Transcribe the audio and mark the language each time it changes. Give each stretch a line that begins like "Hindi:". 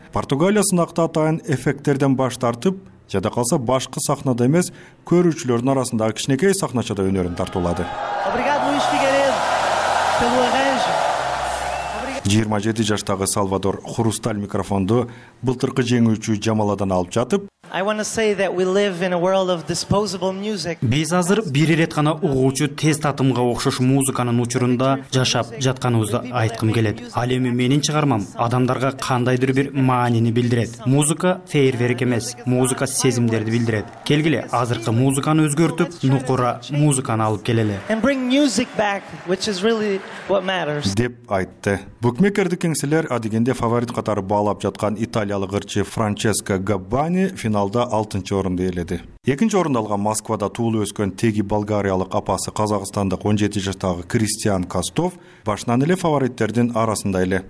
Kyrgyz: Португалия сынакта атайын эффекттерден баш тартып, жада калса башкы сахнада эмес көрүүчүлөрдүн арасындагы кичинекей сахначада өнөрүн тартуулады. 27 жаштагы Сальвадор Хрусталь микрофонду былтыркы жеңүүчү Жамаладан алып жатып,
English: I want to say that we live in a world of disposable music.
Kyrgyz: Биз азыр бир ирет гана угуучу тез татымга окшош музыканын учурунда жашап жатканыбызды айткым келет. Ал эми менин чыгармам адамдарга кандайдыр бир маанини билдирет. Музыка фейерверк эмес, музыка сезимдерди билдирет. Келгиле, азыркы музыканы өзгөртүп, нукура музыканы алып келели.
English: And bring music back, which is really what matters.
Kyrgyz: Деп айтты. Букмекерди кеңселер адегенде фаворит катары баалап жаткан италиялык ырчы Франческо Габбани финалда 6-чы орунду ээледи. 2-чи орунду алган Москвада туулуп өскөн теги болгариялык апасы Казакстандык 17 жаштагы Кристиан Костов башынан эле фавориттердин арасында эле.